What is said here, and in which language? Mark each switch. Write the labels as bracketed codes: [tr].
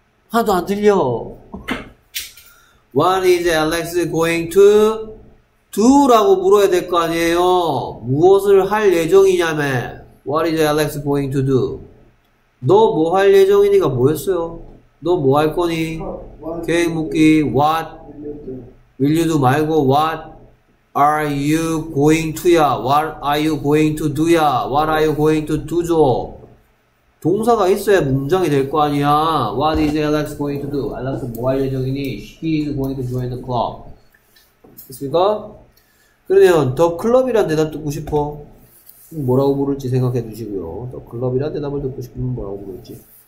[ko] 하나도 안 들려. [en] What is Alex going to do? [ko] 라고 물어야 될 거 아니에요. 무엇을 할 예정이냐며. [en] What is Alex going to do? [ko] 너뭐할 예정이니가 뭐였어요? 너뭐할 거니? 계획 묻기 [en] What will you do 말고 What are you going to 야? What are you going to do 야? What are you going to do죠? [ko] 동사가 있어야 문장이 될거 아니야. [en] What is Alex going to do? [ko] Alex 뭐할 예정이니? [en] He is going to join the club. [ko] 됐습니까? 그러면 더 클럽이란 대답 듣고 싶어? 뭐라고 부를지 생각해 두시고요. 더 클럽이란 대답을 듣고 싶으면 뭐라고 부를지.